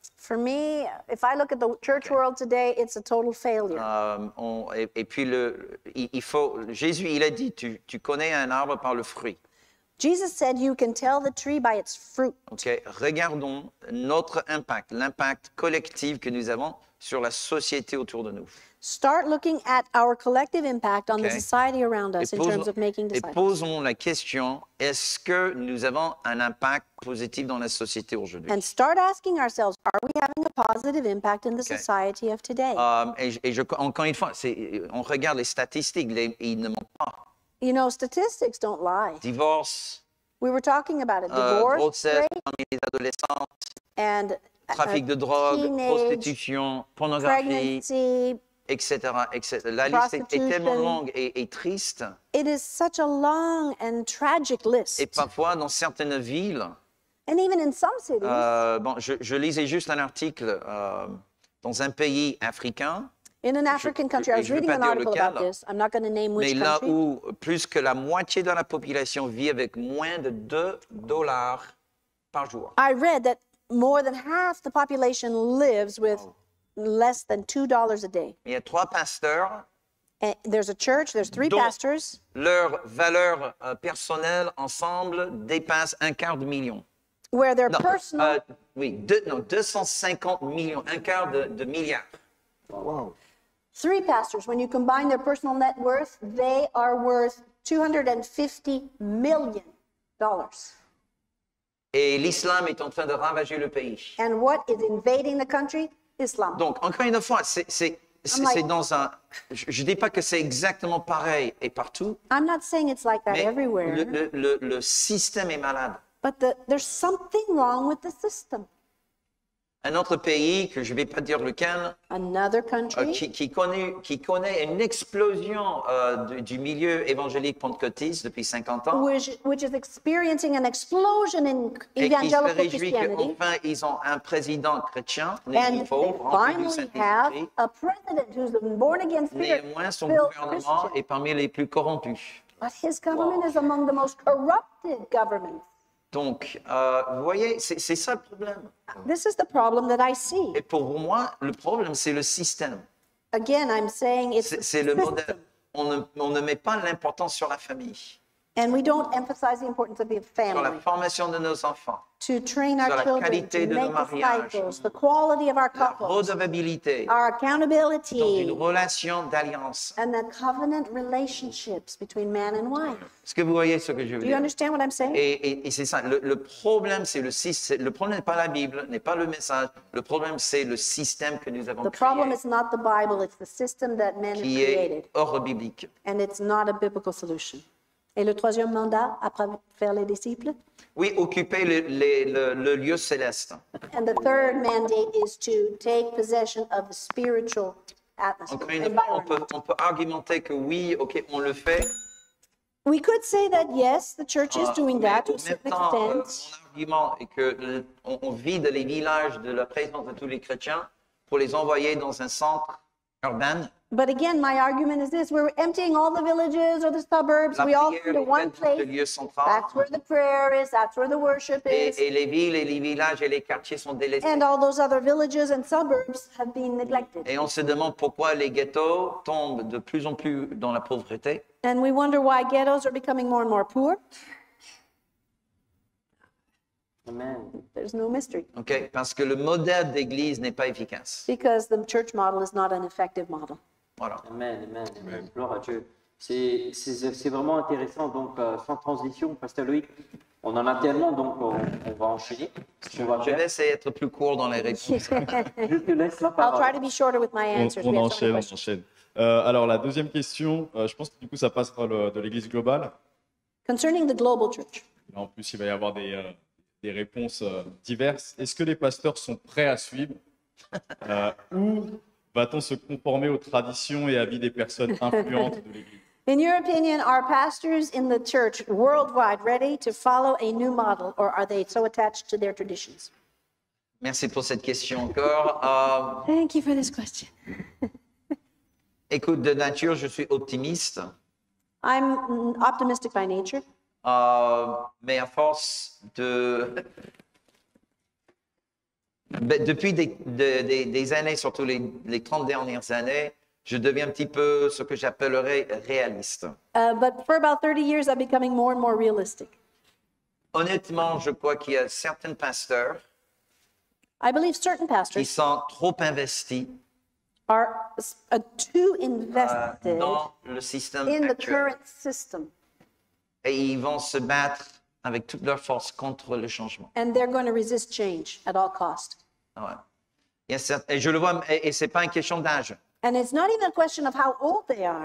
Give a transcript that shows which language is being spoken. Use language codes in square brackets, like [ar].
[en] For me, if I look at the church world today, it's a total failure. [fr] Jésus, il a dit, tu connais un arbre par le fruit. [en] Jesus said, you can tell the tree by its fruit. [fr] Okay, regardons notre impact, l'impact collectif que nous avons sur la société autour de nous. [en] Start looking at our collective impact on the society around us in terms of making disciples. [fr] Et posons la question, est-ce que nous avons un impact positif dans la société aujourd'hui? [en] And start asking ourselves, are we having a positive impact in the society of today? [fr] Encore une fois, on regarde les statistiques, ils ne mentent pas. [en] You know, statistics don't lie. Divorce. We were talking about it. Divorce, [fr] grossesse parmi les adolescentes. [en] And [fr] trafic de drogue, prostitution, pornographie. Etc. Etc. La liste est tellement longue et triste. [en] It is such a long and tragic list. [fr] Et parfois, dans certaines villes. [en] And even in some cities. [fr] Je lisais juste un article dans un pays africain. [en] In an African country, I was reading an article about this. I'm not going to name which country. [fr] Mais là où plus que la moitié de la population vit avec moins de $2 par jour. [en] I read that more than half the population lives with less than $2 a day. [fr] Il y a trois pasteurs. [en] And there's a church, there's three [fr] dont [en] pastors. [fr] Leur valeur personnelle ensemble dépasse un quart de million. [en] Where their personal... [fr] 250 millions, un quart de milliard. Wow. [en] Three pastors, when you combine their personal net worth, they are worth $250 million. [fr] Et l'islam est en train de ravager le pays. [en] And what is invading the country? Islam. [fr] Donc, encore une fois, c'est dans un... Je ne dis pas que c'est exactement pareil et partout. [en] I'm not saying it's like that everywhere. [fr] Le système est malade. [en] But there's something wrong with the system. [fr] Un autre pays, que je ne vais pas dire lequel, [en] another country? [fr] Qui connaît une explosion du milieu évangélique pentecôtiste depuis 50 ans, [en] which is experiencing an explosion in evangelical [fr] et qui se réjouit qu'enfin ils ont un président chrétien, néanmoins son gouvernement est parmi les plus corrompus. [en] But his government is among the most corrupted governments. [fr] Donc, vous voyez, c'est ça le problème. [en] This is the problem that I see. [fr] Et pour moi, le problème, c'est le système. [en] Again, I'm saying it's [fr] c'est le modèle. On ne met pas l'importance sur la famille. [en] And we don't emphasize the importance of the family. [fr] Sur la formation de nos enfants. [en] To train our [fr] sur [en] children, [fr] la qualité [en] to [fr] de [en] make [fr] nos mariages. [en] Disciples, the quality of our couples. [fr] La redevabilité. [en] Our accountability. [fr] Donc, une relation d'alliance. [en] And the covenant relationships between man and wife. [fr] Est-ce que vous voyez ce que je veux dire? [en] Do you understand what I'm saying? [fr] Et c'est ça. Le problème, c'est le système. Le problème n'est pas la Bible, n'est pas le message. Le problème, c'est le système que nous avons créé. [en] The problem is not the Bible, it's the system that men have created. [fr] Qui est hors biblique. [en] And it's not a biblical solution. [fr] Et le troisième mandat, après faire les disciples? Oui, occuper le lieu céleste. [en] And the third mandate is to take possession of the spiritual atmosphere. [fr] Encore une fois, on peut argumenter que oui, OK, on le fait. [en] We could say that yes, the church is doing that to a certain extent. [fr] Mais en même temps, mon argument est qu'on vit dans les villages de la présence de tous les chrétiens pour les envoyer dans un centre urbain. [en] But again, my argument is this: we're emptying all the villages or the suburbs. [fr] La [en] we all go to one place. That's where the prayer is. That's where the worship is. [fr] Et les villes, et les villages, et les quartiers sont délaissés. [en] And all those other villages and suburbs have been neglected. [fr] Et on se demande pourquoi les ghettos tombent de plus en plus dans la pauvreté. [en] And we wonder why ghettos are becoming more and more poor. Amen. There's no mystery. [fr] OK, parce que le modèle d'église n'est pas efficace. [en] Because the church model is not an effective model. [fr] Voilà. Amen. Gloire à Dieu. C'est vraiment intéressant. Donc, sans transition, Pasteur Loïc, on en a tellement, donc on va enchaîner. Je vais essayer d'être plus court dans les réponses. Je te laisse la parole. [en] I'll try to be shorter with my answers. [fr] On enchaîne. Alors, la deuxième question, je pense que du coup, ça passe par de l'Église globale. [en] Concerning the global church. [fr] Là, en plus, il va y avoir des réponses diverses. Est-ce que les pasteurs sont prêts à suivre ou va-t-on se conformer aux traditions et avis des personnes influentes de l'Église? [en] In your opinion, are pastors in the church worldwide ready to follow a new model, or are they so attached to their traditions? [fr] Merci pour cette question encore. [en] Thank you for this question. [fr] Écoute, de nature, je suis optimiste. [en] I'm optimistic by nature. [fr] Mais à force de... Depuis des années, surtout les 30 dernières années, je deviens un petit peu ce que j'appellerais réaliste. [en] But for about 30 years, I'm becoming more and more realistic. [fr] Honnêtement, je crois qu'il y a certains pasteurs, [en] I believe certain pastors, [fr] qui sont trop investis, [en] are too invested [fr] dans le système [en] in [fr] actuel, [en] the current system. [fr] Et ils vont se battre avec toute leur force contre le changement. [en] And they're going to resist change at all cost. [fr] Ouais. Et je le vois, et c'est pas une question d'âge. [en] And it's not even a question of how old they are.